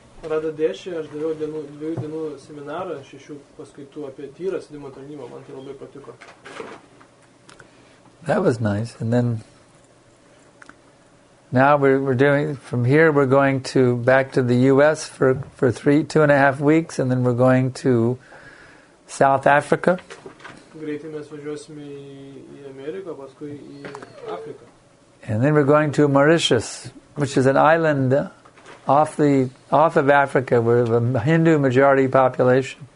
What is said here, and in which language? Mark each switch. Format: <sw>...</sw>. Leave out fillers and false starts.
<lt>Radhadeshi, aš daviau dviejų dienų seminarą, 6 paskaitų apie tyrą sėdimo tarnybą. Man tai labai patiko.</lt> <en>That was nice. And then now we're doing, from here we're going to back to the US for 2.5 weeks, and then we're going to South Africa.</en> <lt>Greitai mes važiuosime į Ameriką, paskui į Afriką.</lt> <en>And then we're going to Mauritius, which is an island off of Africa with a Hindu majority population.</en>